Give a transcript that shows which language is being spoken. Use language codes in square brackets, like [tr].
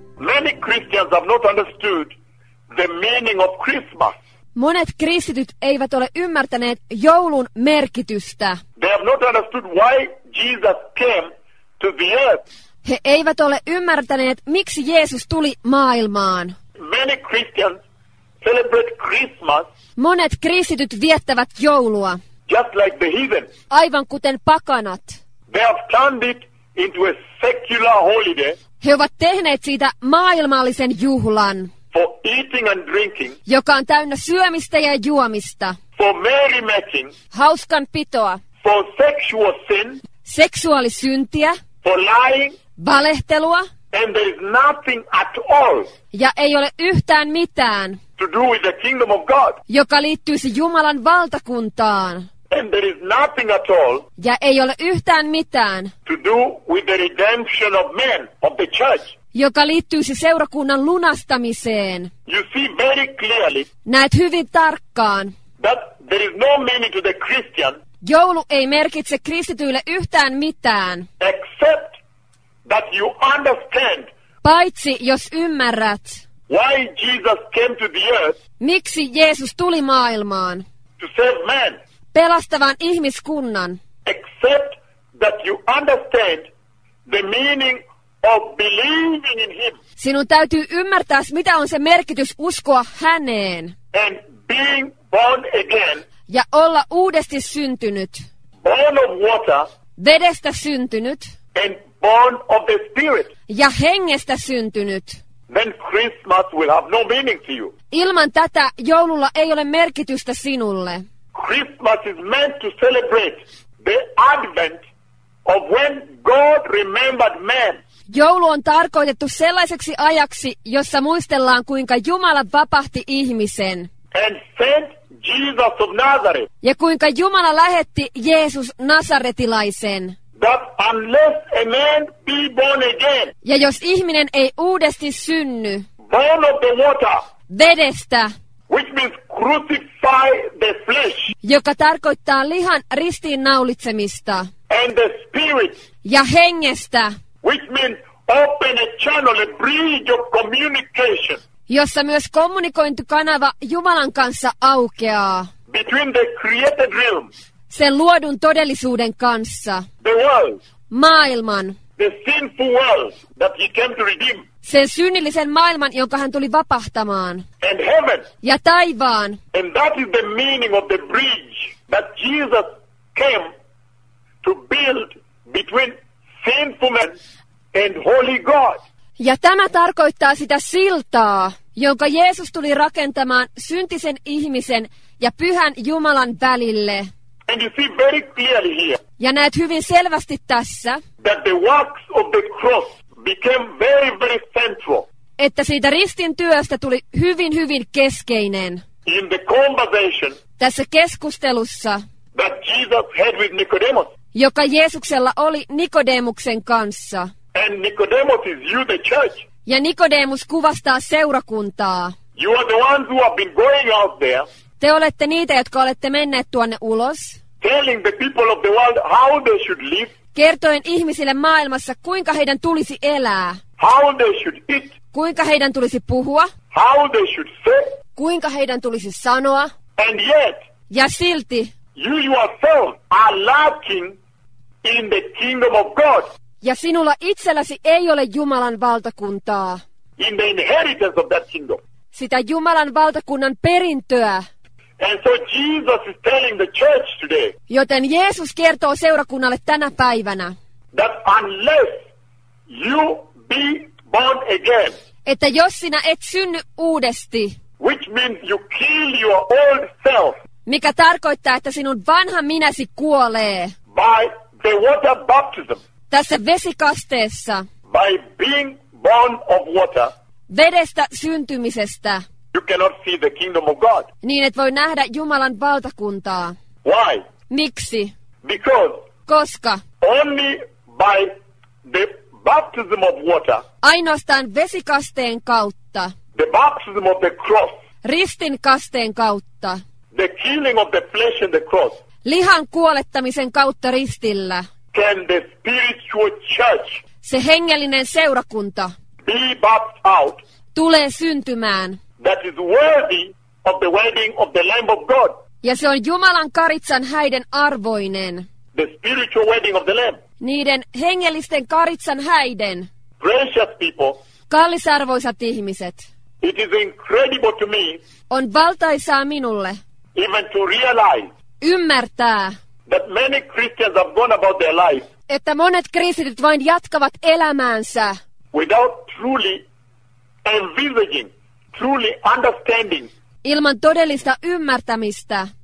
[en] Many Christians have not understood the meaning of Christmas. [fi] Monet kristityt eivät ole ymmärtäneet joulun merkitystä. [en] They have not understood why Jesus came to the earth. [fi] He eivät ole ymmärtäneet, miksi Jeesus tuli maailmaan. [en] Many Christians celebrate Christmas. [fi] Monet kristityt viettävät joulua. [en] Just like the heathen. [fi] Aivan kuten pakanat. [en] They have turned it into a secular holiday. [fi] He ovat tehneet siitä maailmallisen juhlan. [en] For eating and drinking. [fi] Joka on täynnä syömistä ja juomista. [en] For merrymaking. [fi] Hauskan pitoa. [en] For sexual sin. [fi] Seksuaalisyntiä. [en] For lying. [fi] Valehtelua. [en] And there is nothing at all. [fi] Ja ei ole yhtään mitään. [en] To do with the kingdom of God. [fi] Joka liittyisi Jumalan valtakuntaan. [en] And there is nothing at all. [fi] Ja ei ole yhtään mitään. [en] To do with the redemption of men of the church. [fi] Joka liittyisi seurakunnan lunastamiseen. [en] You see very clearly. [fi] Näet hyvin tarkkaan. [en] That there is no meaning to the Christian. [fi] Joulu ei merkitse kristityille yhtään mitään. [en] Except that you understand. [fi] Paitsi jos ymmärrät. [en] Why Jesus came to the earth? [fi] Miksi Jeesus tuli maailmaan? [en] To save man. [fi] Pelastavan ihmiskunnan. [en] Except that you understand the meaning of believing in him. [fi] Sinun täytyy ymmärtää, mitä on se merkitys uskoa häneen. [en] And being born again. [fi] Ja olla uudesti syntynyt. [en] Born of water. [fi] Vedestä syntynyt. [en] And born of the spirit. [fi] Ja hengestä syntynyt. [en] Then Christmas will have no meaning to you. [fi] Ilman tätä joululla ei ole merkitystä sinulle. [en] Christmas is meant to celebrate the advent of when God remembered man. [fi] Joulu on tarkoitettu sellaiseksi ajaksi, jossa muistellaan, kuinka Jumala vapahti ihmisen. [en] And sent Jesus of Nazareth. [fi] Ja kuinka Jumala lähetti Jeesus nasaretilaisen. [en] That unless a man be born again. [fi] Ja jos ihminen ei uudesti synny. [en] Born of the water. [fi] Vedestä. [en] Which means crucify the flesh. [fi] Joka tarkoittaa lihan ristiinnaulitsemista. [en] And the spirit. [fi] Ja hengestä. [en] Which means open a channel, a bridge of communication. [fi] Jossa myös kommunikointikanava Jumalan kanssa aukeaa. [en] Between the created realm. [fi] Sen luodun todellisuuden kanssa. [en] The world. [fi] Maailman. [en] The sinful world that he came to redeem. [fi] Sen synnillisen maailman, jonka hän tuli vapahtamaan. [en] And heaven. [fi] Ja taivaan. [en] And that is the meaning of the bridge that Jesus came to build between sinful man and holy God. [fi] Ja tämä tarkoittaa sitä siltaa, jonka Jeesus tuli rakentamaan syntisen ihmisen ja pyhän Jumalan välille. [en] And you see very clearly here. [fi] Ja näet hyvin selvästi tässä. [en] That the works of the cross became very, very central. [fi] Että siitä ristin työstä tuli hyvin, hyvin keskeinen. [en] In the conversation. [fi] Tässä keskustelussa. [en] That Jesus had with Nicodemus. [fi] Joka Jeesuksella oli Nikodemuksen kanssa. [en] And Nicodemus is you, the church. [fi] Ja Nikodemus kuvastaa seurakuntaa. [en] You are the ones who have been going out there. [fi] Te olette niitä, jotka olette menneet tuonne ulos. [en] Telling the people of the world how they should live. [fi] Kertoen ihmisille maailmassa, kuinka heidän tulisi elää. [en] How they should eat. [fi] Kuinka heidän tulisi puhua. [en] How they should say. [fi] Kuinka heidän tulisi sanoa. [en] And yet. [fi] Ja silti. [en] You yourself are lacking in the kingdom of God. [fi] Ja sinulla itselläsi ei ole Jumalan valtakuntaa. [en] In the inheritance of that kingdom. [fi] Sitä Jumalan valtakunnan perintöä. [en] And so Jesus is telling the church today. [fi] Joten Jeesus kertoo seurakunnalle tänä päivänä. [en] That unless you be born again. [fi] Että jos sinä et synny uudesti. [en] Which means you kill your old self. [fi] Mikä tarkoittaa, että sinun vanha minäsi kuolee. [en] By the water baptism. [fi] Tässä vesikasteessa. [en] By being born of water. [fi] Vedestä syntymisestä. [en] You cannot see the kingdom of God. [fi] Niin et voi nähdä Jumalan valtakuntaa. [en] Why? [fi] Miksi? [en] Because. [fi] Koska. [en] Only by the baptism of water. [fi] Ainoastaan vesikasteen kautta. [en] The baptism of the cross. [fi] Ristin kasteen kautta. [en] The killing of the flesh and the cross. [fi] Lihan kuolettamisen kautta ristillä. [en] Can the spiritual church. [fi] se hengellinen seurakunta [en] be bathed out, [fi] tulee syntymään. [en] That is worthy of the wedding of the Lamb of God. [fi] Ja se on Jumalan karitsan häiden arvoinen. [en] The spiritual wedding of the Lamb. [fi] Niiden hengellisten karitsan häiden. [en] Precious people. [fi] Kallisarvoisat ihmiset. [en] It is incredible to me. [fi] On valtaisaa minulle. [en] Even to realize. [fi] Ymmärtää. [en] That many Christians have gone about their life. [fi] Että monet kristityt vain jatkavat elämäänsä. [en] Without truly envisaging. Truly understanding. [fi] Ilman todellista ymmärtämistä.